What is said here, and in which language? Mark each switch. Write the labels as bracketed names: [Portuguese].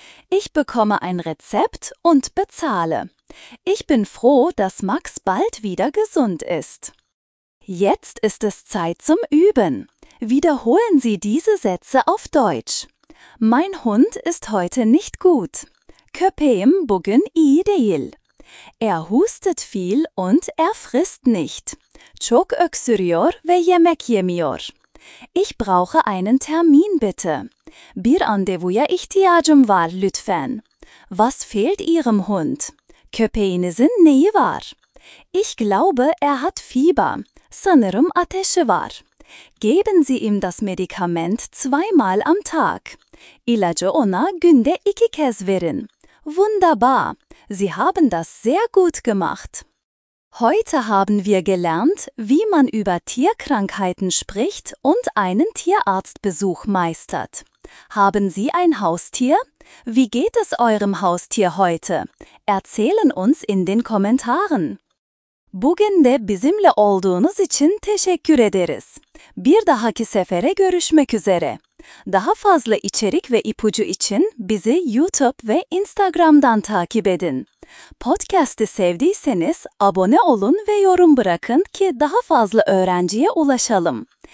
[German] Ich bekomme ein Rezept und bezahle. Ich bin froh, dass Max bald wieder gesund ist. Jetzt ist es Zeit zum Üben. Wiederholen Sie diese Sätze auf Deutsch. Mein Hund ist heute nicht gut. [Turkish] Köpeğim bugün iyi değil. [German] Er hustet viel und er frisst nicht. [Turkish] Çok öksürüyor ve yemek yemiyor. [German] Ich brauche einen Termin, bitte. [Turkish] Bir randevuya ihtiyacım var, lütfen. [German] Was fehlt Ihrem Hund? [Turkish] Köpeğinizin neyi var? [German] Ich glaube, er hat Fieber. [Turkish] Sanırım ateşi var. [German] Geben Sie ihm das Medikament 2-mal am Tag. [Turkish] İlacı ona günde 2 kez verin. [German] Wunderbar! Sie haben das sehr gut gemacht. Heute haben wir gelernt, wie man über Tierkrankheiten spricht und einen Tierarztbesuch meistert. Haben Sie ein Haustier? Wie geht es eurem Haustier heute? Erzählen uns in den Kommentaren. [Turkish] Bugün de bizimle olduğunuz için teşekkür ederiz. Bir dahaki sefere görüşmek üzere. Daha fazla içerik ve ipucu için bizi YouTube ve Instagram'dan takip edin. Podcast'i sevdiyseniz abone olun ve yorum bırakın ki daha fazla öğrenciye ulaşalım.